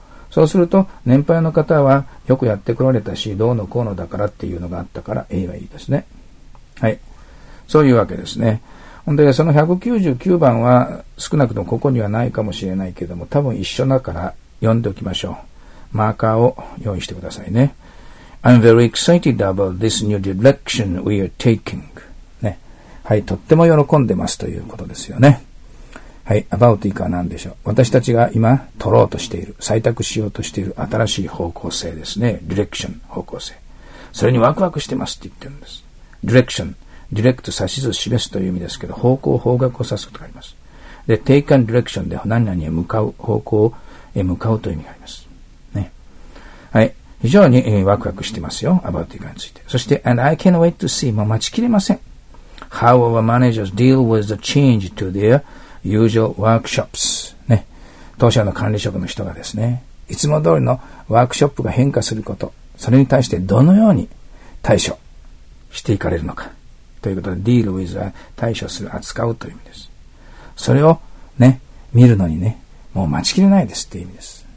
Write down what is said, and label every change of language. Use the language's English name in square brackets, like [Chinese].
[Japanese] そうすると、年配の方はよくやってこられたし、どうのこうのだからっていうのがあったから A がいいですね。はい。そういうわけですね。で、その199番は少なくともここにはないかもしれないけども、多分一緒だから読んでおきましょう。マーカーを用意してくださいね。 [English] I'm very excited about this new direction we are taking. [Japanese] ね。はい、とっても喜んでますということですよね。はい、about というか何でしょう。私たちが今取ろうとしている、採択しようとしている新しい方向性ですね。 direction、方向性。それにワクワクしてますって言ってるんです。 direction、direct 指し図示すという意味ですけど、方向、方角を指すことがあります。で、 [English] take an direction [Japanese] で何々へ向かう、方向へ向かうという意味があります。ね。はい。非常にワクワクしてますよ。 about というかについて。そして、 [English] and I can't wait to see [Japanese] も待ちきれません。 [English] how our managers deal with the change to their usual workshops ね。 [Japanese] 当社の管理職の人がですね、いつも通りのワークショップが変化すること、それに対してどのように対処していかれるのか。ということで、deal with は対処する、扱うという意味です。それをね、見るのにね、もう待ちきれないですっていう意味です。